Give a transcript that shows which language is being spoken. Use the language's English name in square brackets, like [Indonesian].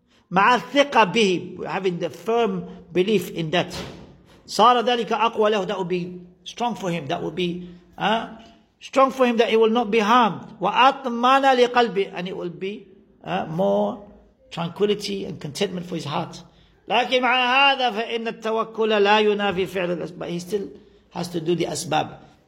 [Arabic] مَعَ الثِّقَ بِهِ. [English] Having the firm belief in that. [Arabic] صَارَ ذَلِكَ أَقْوَى لَهُ. [English] That will be strong for him. That will be strong for him, that he will not be harmed. [Arabic] وَأَطْمَنَ لِقَلْبِ. [English] And it will be more tranquility and contentment for his heart. [Arabic] لكن مع هذا فإن التوكل لا ينافي فعل الأسباب. [English] But he still has to do the asbab.